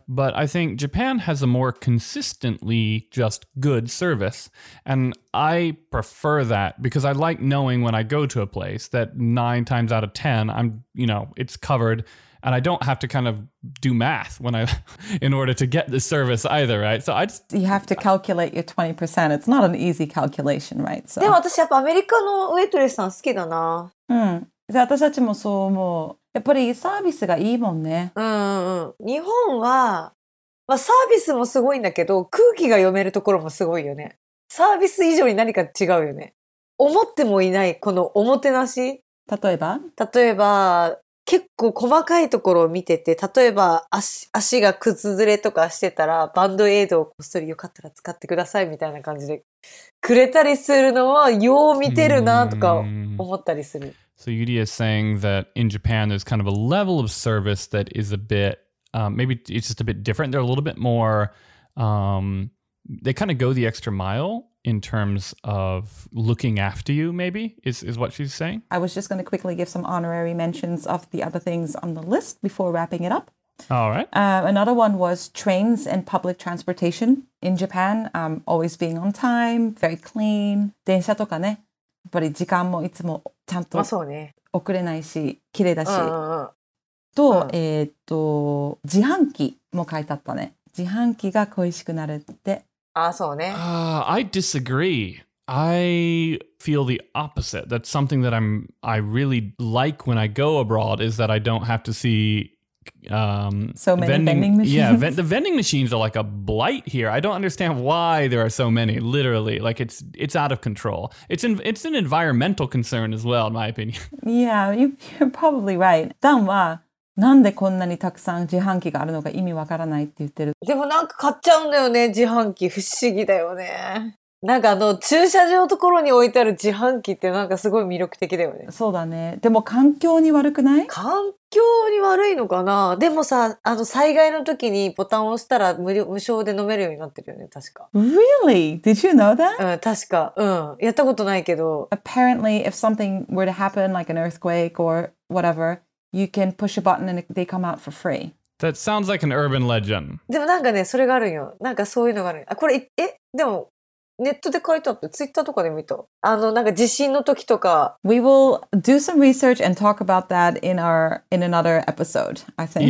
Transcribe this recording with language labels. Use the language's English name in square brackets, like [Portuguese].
[English] But I think Japan has a more consistently just good service. And I prefer that because I like knowing when I go to a place that 9 times out of 10, I'm, you know, it's covered. And I don't have to kind of do math when I, in order to get the service either, right? So I just... You have to calculate your 20%. It's not an easy calculation, right? [Japanese] でも私やっぱアメリカのウェイトレスさん好きだな。うん。で、私たちもそう思う。やっぱりサービスがいいもんね。うんうん。日本は、まあサービスもすごいんだけど、空気が読めるところもすごいよね。サービス以上に何か違うよね。思ってもいない、このおもてなし。例えば？例えば、結構細かいところを見てて、例えば 足が靴ずれとかしてたら、バンドエイドをこっそりよかったら使ってくださいみたいな感じでくれたりするのは、よう見てるなとか思ったりする。 Mm-hmm. [English] So Yuria is saying that in Japan there's kind of a level of service that is a bit, maybe it's just a bit different. They're a little bit more, they kind of go the extra mile. In terms of looking after you, maybe, is what she's saying. I was just going to quickly give some honorary mentions of the other things on the list before wrapping it up. All right. Another one was trains and public transportation in Japan. Always being on time, very clean. [Japanese] 電車とかね、やっぱり時間もいつもちゃんと遅れないし、綺麗だし。と、自販機も書いてあったね。自販機が恋しくなるって。 [English] I disagree. I feel the opposite. That's something that I really like when I go abroad is that I don't have to see... so many vending machines. Yeah, the vending machines are like a blight here. I don't understand why there are so many, literally. Like, it's out of control. It's an environmental concern as well, in my opinion. Yeah, you're probably right. Dan wa... [Japanese] なんでこんなにたくさん自販機があるのか意味わからないって言ってる。でもなんか買っちゃうんだよね、自販機。不思議だよね。なんかあの駐車場のところに置いてある自販機ってなんかすごい魅力的だよね。そうだね。でも環境に悪くない？環境に悪いのかな。でもさ、あの災害の時にボタンを押したら無償で飲めるようになってるよね、確か。 [English] Really? Did you know that? [Japanese] うん、確か。うん。やったことないけど。 [English] Apparently, if something were to happen, like an earthquake or whatever,You can push a button and they come out for free. That sounds like an urban legend. [Japanese] でもなんかね、それがあるよ。なんかそういうのがある。あ、これ、え？でも、ネットで書いてあった。ツイッターとかで見た。あの、なんか地震の時とか。 [English] We will do some research and talk about that in another episode, I think.